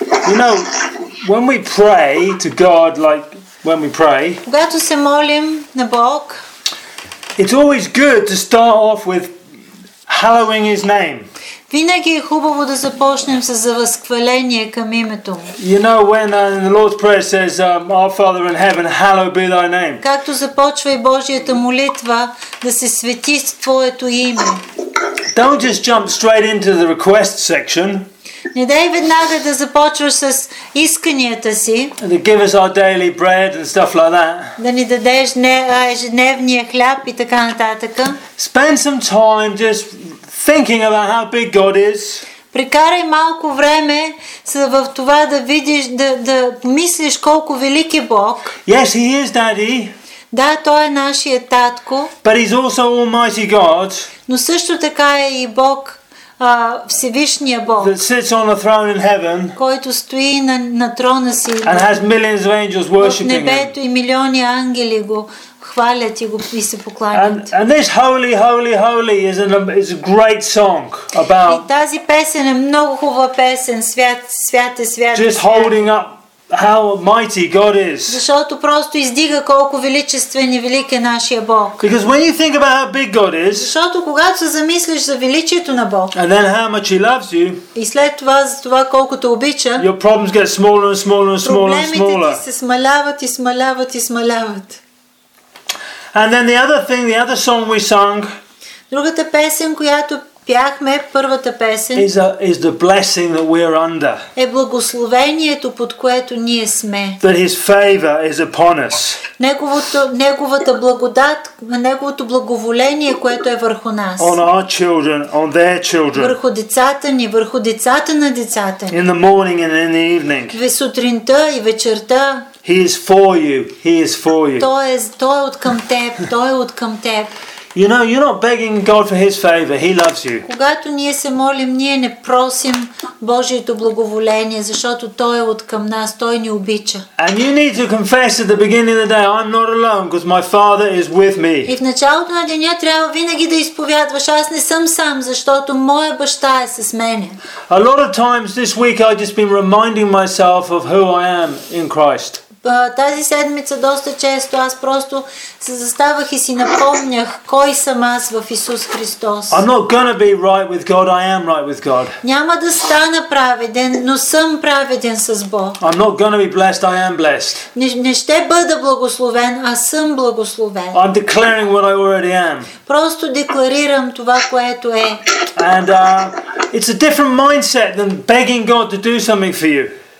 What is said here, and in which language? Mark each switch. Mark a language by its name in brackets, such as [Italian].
[English] You know, when we pray to God, like when we pray, [Bulgarian] Когато се молим на Бог, [English] it's always good to start off with hallowing His name. [Bulgarian] Винаги е хубаво да започнем с завъзхваление към името му. [English] You know when the Lord's Prayer says, "Our Father in heaven, hallowed be thy name." [Bulgarian] Както започва и Божията молитва, да се свети твоето име. [English] Don't just jump straight into the request section. [Bulgarian] Не дай веднага да започваш с исканията си. [English] To give us our daily bread and stuff like that. [Bulgarian] Да ни дадеш ежедневния хляб и така нататък. [English] Spend some time just thinking about how big God is. [Bulgarian] Прекарай малко време в това да видиш, да помислиш колко велик е Бог. [English] Yes, He is Daddy. [Bulgarian] Да, Той е нашия татко. [English] But He's also Almighty God. [Bulgarian] Но също така е и Бог, Всевишния Бог. [English] That sits on the throne in heaven. [Bulgarian] Който стои на трона си. [English] And has millions of angels worshiping Him. [Bulgarian] В небето и милиони ангели го хвалят и го и се покланят. [English] And this holy, holy, holy is a great song about. [Bulgarian] И тази песен е много хубава песен, свят, свят е, свят. [English] Just holding up how mighty God is. [Bulgarian] Защото просто издига колко величествен и велик е нашия Бог. [English] Because when you think about how big God is. [Bulgarian] Защото когато се замислиш за величието на Бог. [English] And then how much He loves you. [Bulgarian] И след това за това колко те обича. [English] Your problems get smaller and smaller and smaller and smaller. [Bulgarian] Проблемите ти се смаляват и смаляват и смаляват. [English] And then the other thing, the other song we sung. [Bulgarian] Другата песен, която пяхме, първата песен. [English] Is the blessing that we are under. [Bulgarian] Е благословението, под което ние сме. [English] That His favor is upon us. [Bulgarian] Неговата благодат, неговото благоволение, което е върху нас. [English] On our children, on their children. [Bulgarian] Върху децата ни, върху децата на децата ни. [English] In the morning and in the evening. [Bulgarian] В сутринта и вечерта. [English] He is for you. He is for you. [Bulgarian] Той е откъм теб. Той е откъм теб. [English] You know, you're not begging God for His favor. He loves you. [Bulgarian] Когато ние се молим, ние не просим Божието благоволение, защото Той е откъм нас. Той ни обича. [English] And you need to confess at the beginning of the day, I'm not alone, because my Father is with me. [Bulgarian] И в началото на деня трябва винаги да изповядваш, аз не съм сам, защото моя баща е с мене. [English] A lot of times this week I've just been reminding myself of who I am in Christ. [Bulgarian] Тази седмица доста често аз просто се заставах и си напомнях кой съм аз в Исус Христос. [English] I'm not gonna be right with God, I am right with God. [Bulgarian] Няма да стана праведен, но съм праведен с Бог. [English] I'm not gonna be blessed, I am blessed. [Bulgarian] Не ще бъда благословен, а съм благословен. [English] I'm declaring what I already am. [Bulgarian] Просто декларирам това, което е. [English] And it's a different mindset than begging God to do something for you.